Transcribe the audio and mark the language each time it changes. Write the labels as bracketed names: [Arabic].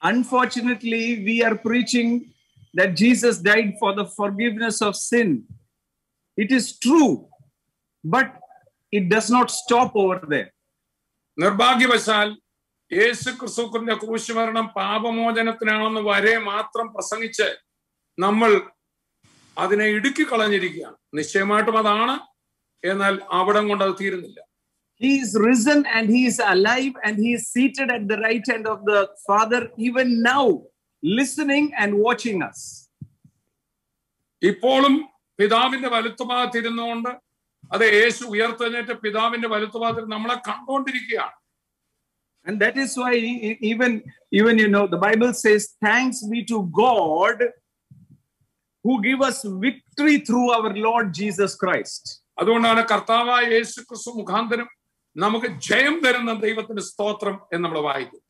[English] Unfortunately, we are preaching that Jesus died for the forgiveness of sin. It is true, but it does not stop over there. [Malayalam] നിർഭാഗ്യവശാൽ യേശുക്രിസ്തുവിന്റെ ക്രൂശുമരണം പാപമോചനത്തിനാണെന്ന് വരെ മാത്രം പ്രസംഗിച്ച് നമ്മൾ അതിനെ ഇടുക്കി കളഞ്ഞിരിക്കുകയാണ്. നിശ്ചയമായിട്ടും അതാണ്, എന്നാൽ അവിടം കൊണ്ട് അത് തീരുന്നില്ല. [English] He is risen and he is alive and he is seated at the right hand of the Father even now, listening and watching us. [Malayalam] ഇപ്പോഴും പിതാവിന്റെ വലത്തുഭാഗത്ത് ഇരുന്നുകൊണ്ട്, അതെ യേശു ഉയർത്തെഴുന്നേറ്റ പിതാവിന്റെ വലത്തുഭാഗത്ത് നമ്മളെ കണ്ടുകൊണ്ടിരിക്കുകയാണ്. [English] And that is why even you know the Bible says, thanks be to God who give us victory through our Lord Jesus Christ. [Malayalam] അതുകൊണ്ടാണ് കർത്താവായ യേശുക്രിസ്തു മുഖാന്തരം നമുക്ക് ജയം തരുന്ന ദൈവത്തിന്റെ സ്തോത്രം എന്ന് നമ്മൾ വായിക്കും.